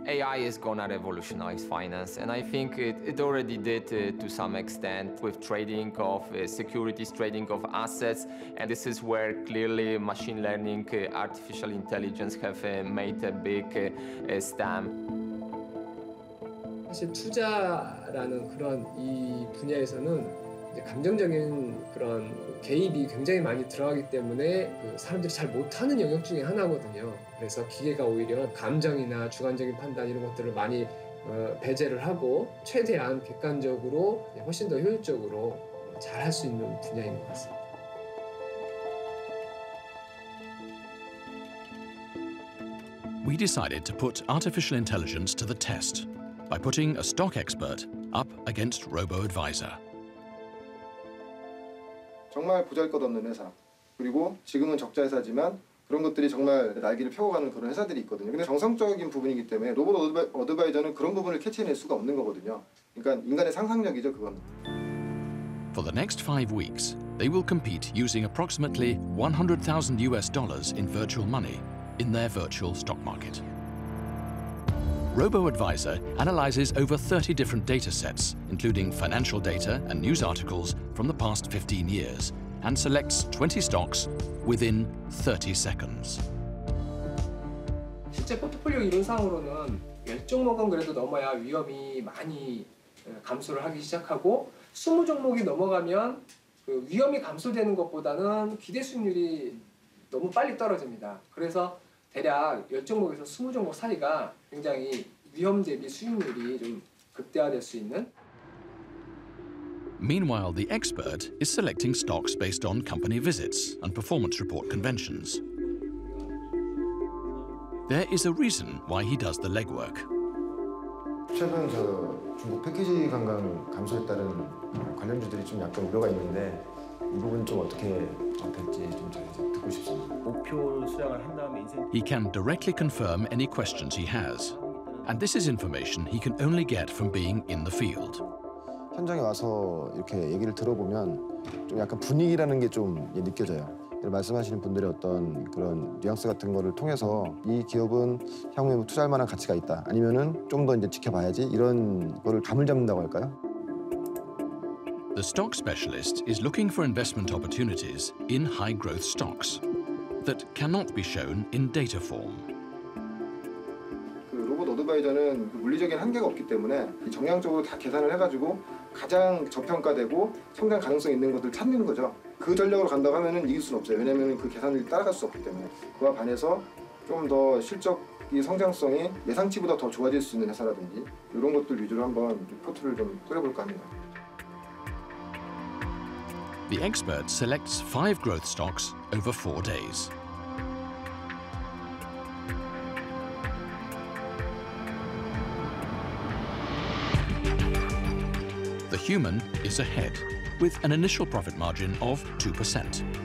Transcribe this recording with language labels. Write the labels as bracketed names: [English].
[English] AI is gonna revolutionize finance, and I think it already did to some extent with trading of securities, trading of assets, and this is where clearly machine learning, artificial intelligence have made a big stamp. [Korean] 사실 투자라는 그런 이 분야에서는 감정적인 그런 개입이 굉장히 많이 들어가기 때문에 그 사람들이 잘 못하는 영역 중에 하나거든요. 그래서 기계가 오히려 감정이나 주관적인 판단 이런 것들을 많이 배제를 하고 최대한 객관적으로 훨씬 더 효율적으로 잘 할 수 있는 분야인 것 같습니다. [English] We decided to put artificial intelligence to the test by putting a stock expert up against robo-advisor. [Korean] 정말 부자일 것 없는 회사. 그리고 지금은 적자 회사지만 그런 것들이 정말 날개를 펴고 가는 그런 회사들이 있거든요. 근데 정상적인 부분이기 때문에 로봇 어드바이저는 그런 부분을 캐치해낼 수가 없는 거거든요. 그러니까 인간의 상상력이죠, 그건. [English] For the next 5 weeks, they will compete using approximately $100,000 in virtual money in their virtual stock market. RoboAdvisor analyzes over 30 different data sets, including financial data and news articles from the past 15 years, and selects 20 stocks within 30 seconds. [Korean] 실제 포트폴리오 이론상으로는 10종목은 그래도 넘어야 위험이 많이 감소를 하기 시작하고 20종목이 넘어가면 그 위험이 감소되는 것보다는 기대 수익률이 너무 빨리 떨어집니다. 그래서 대략 10종목에서 20종목 사이가 굉장히 위험 대비 수익률이 좀 극대화될 수 있는. [English] Meanwhile, the expert is selecting stocks based on company visits and performance report conventions. There is a reason why he does the legwork. [Korean] 최근 저 중국 패키지 관광 감소에 따른 관련주들이 좀 약간 우려가 있는데 이 부분 좀 어떻게 될지 좀 잘 듣고 싶습니다. 목표 수량을 한 다음에 인센티브. [English] He can directly confirm any questions he has. And this is information he can only get from being in the field. [Korean] 현장에 와서 이렇게 얘기를 들어보면 좀 약간 분위기라는 게 좀 느껴져요. 말씀하시는 분들의 어떤 그런 뉘앙스 같은 거를 통해서 이 기업은 향후에 투자할 만한 가치가 있다. 아니면은 좀 더 이제 지켜봐야지 이런 거를 감을 잡는다고 할까요? [English] The stock specialist is looking for investment opportunities in high growth stocks that cannot be shown in data form. [Korean] 어드바이저는 물리적인 한계가 없기 때문에 정량적으로 다 계산을 해가지고 가장 저평가되고 성장 가능성 있는 것들 찾는 거죠. 그 전략으로 간다고 하면은 이길 수는 없어요. 왜냐하면 그 계산을 따라갈 수 없기 때문에. 그와 반해서 좀 더 실적이 성장성이 예상치보다 더 좋아질 수 있는 회사라든지 이런 것들 위주로 한번 포트를 좀 꾸려볼까 합니다. [English] The expert selects five growth stocks over 4 days. The human is ahead with an initial profit margin of 2%.